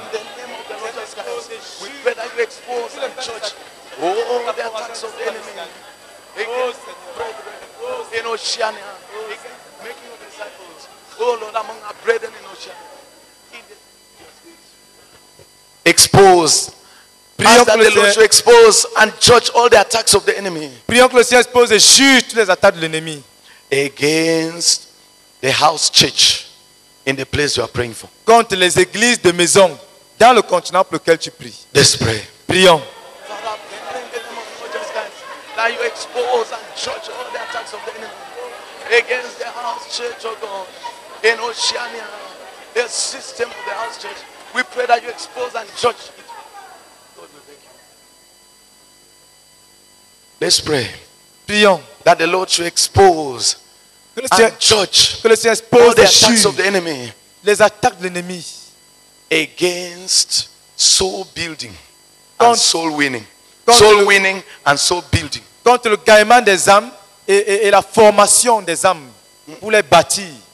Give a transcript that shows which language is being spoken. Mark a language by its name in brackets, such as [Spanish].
[English] We pray that you expose and judge all the attacks of the enemy against brethren in Oceania, against making of disciples, oh Lord, among our brethren in Oceania. Expose. [French] Prions [English] that the Lord should expose and judge all the attacks of the enemy. [French] Prions que le Seigneur expose et juge toutes les attaques de l'ennemi. [English] Against the house church. In the place you are praying for. [French] Contre les églises de maison dans le continent pour lequel tu pries. [English] Let's pray. [French] Prions. [English] Father, I pray in the name of the Lord Jesus Christ that you expose and judge all the attacks of the enemy against the house church of God in Oceania, the system of the house church. We pray that you expose and judge it. God, we thank you. Let's pray. [French] Prions. [English] That the Lord should expose and judge [French] que le Seigneur expose [English] all the attacks of the enemy, [French] les attaques de l'ennemi, [English] against soul building and soul winning, soul winning and soul building, [French] contre le gaillement des âmes et la formation des âmes pour les bâtir,